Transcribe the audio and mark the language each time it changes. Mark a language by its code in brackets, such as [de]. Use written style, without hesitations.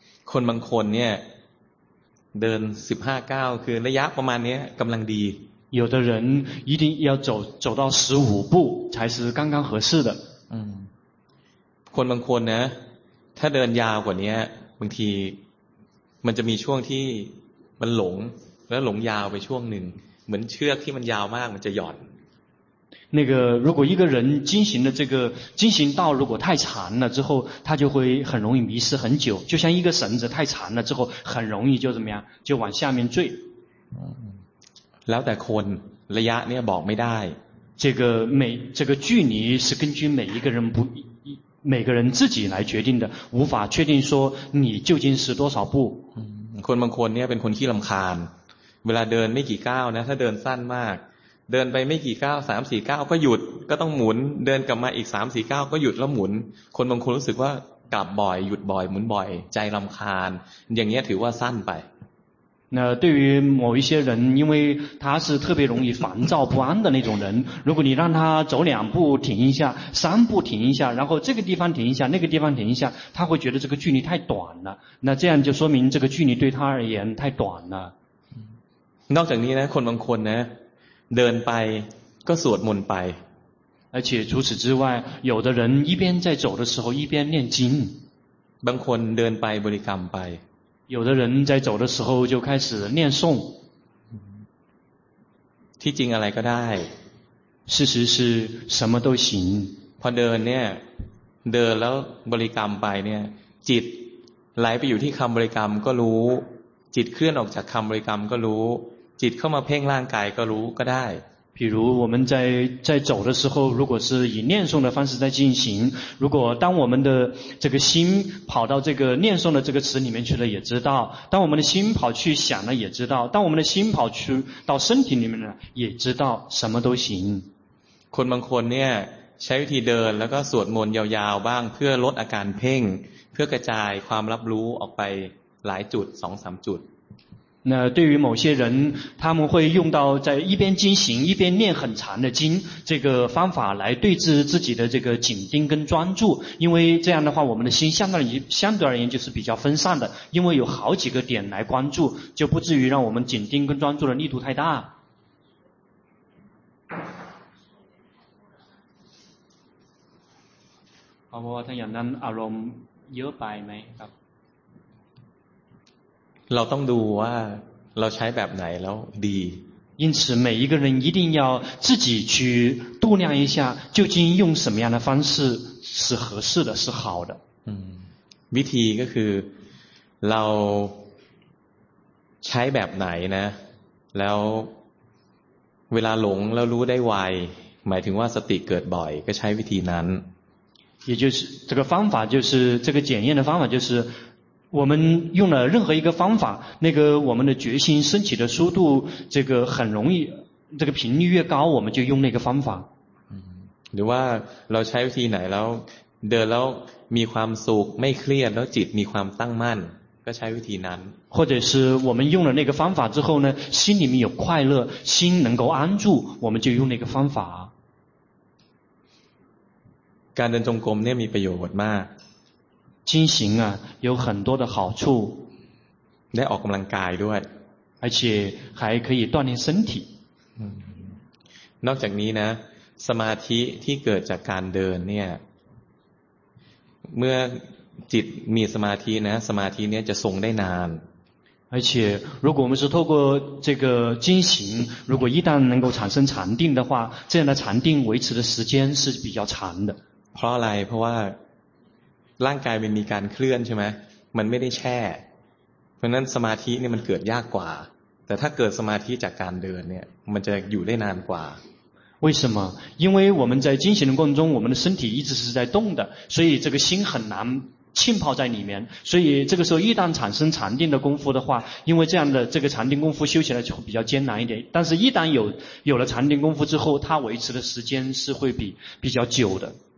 [th] คนบางคนเนี่ยเดิน15ก้าวคือระยะประมาณนี้กำลังดี [zh] 有的人一定要走到十五步才是刚刚合适的。 [th] คนบางคนนะถ้าเดินยาวกว่านี้บางทีมันจะมีช่วงที่มันหลงแล้วหลงยาวไปช่วงหนึ่งเหมือนเชือกที่มันยาวมากมันจะหย่อน [zh] 那个如果一个人精行的这个精行道如果太长了之后，他就会很容易迷失很久，就像一个绳子太长了之后很容易就怎么样就往下面坠。 [th] แล้วแต่คนระยะเนี่ยบอกไม่ได้ [zh] 这个距离是根据每一个人不每个人自己来决定的，无法确定说你究竟是多少步。 [th] คนบางคนเนี่ยเป็นคนขี้ลำคาญเวลาเดินไม่กี่ก้าวนะถ้าเดินสั้นมากเดินไปไม่กี่ก้าวสามสี่ก้าวก็หยุดก็ต้องหมุนเดินกลับมาอีกสามสี่ก้าวก็หยุดแล้วหมุนคนบางคนรู้สึกว่ากลับบ่อยหยุดบ่อยหมุนบ่อยใจลำคาญอย่างเงี้ยถือว่าสั้นไป [zh] 那对于某一些人，因为他是特别容易烦躁不安的那种人，如果你让他走两步停一下，三步停一下，然后这个地方停一下，那个地方停一下，他会觉得这个距离太短了。那这样就说明这个距离对他而言太短了。 [th] นอกจากนี้นะคนบางคนนะเดินไปก็สวดมนต์ไป [zh] 而且除此之外，有的人一边在走的时候一边念经。 [th] บางคนเดินไปบริกรรมไป [zh] 有的人在走的时候就开始念诵。 [th] ที่จริงอะไรก็ได้ [zh] 事实是什么都行 [th] พอเดินเนี่ยเดินแล้วบริกรรมไปเนี่ยจิตไหลไปอยู่ที่คำบริกรรมก็รู้จิตเคลื่อนออกจากคำบริกรรมก็รู้จิตเข้ามาเพ่งร่างกายก็รู้ก็ได้ [zh] 比如我们在走的时候，如果是以念诵的方式在进行，如果当我们的这个心跑到这个念诵的这个词里面去了，也知道；当我们的心跑去想了，也知道；当我们的心跑去到身体里面了，也知道，什么都行。 [th] คนบางคนเนี่ยใช้วิธีเดินแล้วก็สวดมนต์ยาวๆบ้างเพื่อลดอาการเพ่งเพื่อกระจายความรับรู้ออกไปหลายจุดสองสามจุด [zh] 那对于某些人，他们会用到在一边经行一边念很长的经这个方法来对治自己的这个紧盯跟专注，因为这样的话，我们的心相对而言就是比较分散的，因为有好几个点来关注，就不至于让我们紧盯跟专注的力度太大。好，我听人讲阿龙要拜没？ [th] เราต้องดูว่าเราใช้แบบไหนแล้วดี [zh] 因此每一个人一定要自己去度量一下究竟用什么样的方式是合适的是好的 [th] วิธีก็คือเราใช้แบบไหนนะแล้วเวลาหลงแล้วรู้ได้ไวหมายถึงว่าสติเกิดบ่อยก็ใช้วิธีนั้น [zh] 也就是这个方法就是这个检验的方法就是我们用了任何一个方法，那个我们的决心升起的速度，这个很容易，这个频率越高，我们就用那个方法。嗯， [th] หรือว่าเราใช้วิธีไหนแล้วเดินแล้วมีความสุขไม่เครียดแล้วจิตมีความตั้งมั่นก็ใช้วิธีนั้น [zh] 或者是我们用了那个方法之后呢，心里面有快乐，心能够安住，我们就用那个方法。 [th] การเดินจงกรมเนี่ยมีประโยชน์มาก [zh] 经行啊有很多的好处 [th] ได้ออกกำลังกายด้วย [zh] 而且还可以锻炼身体 [th] นอกจากนี้นะสมาธิที่เกิดจากการเดินเนี่ยเมื่อจิตมีสมาธินะสมาธิเนี่ยจะทรงได้นาน [zh] 而且如果我们是透过这个经行如果一旦能够产生禅定的话这样的禅定维持的时间是比较长的 [th] เพราะอะไรเพราะว่าร่างกายมันมีการเคลื่อนใช่ไหมมันไม่ได้แช่เพราะนั้นสมาธิเนี่ยมันเกิดยากกว่าแต่ถ้าเกิดสมาธิจากการเดินเนี่ยมันจะอยู่ได้นานกว่า [zh] 为什么因为我们在进行的过程中我们的身体一直是在动的所以这个心很难浸泡在里面所以这个时候一旦产生禅定的功夫的话因为这样的这个禅定功夫修起来就会比较艰难一点但是一旦有了禅定功夫之后它维持的时间是会比较久的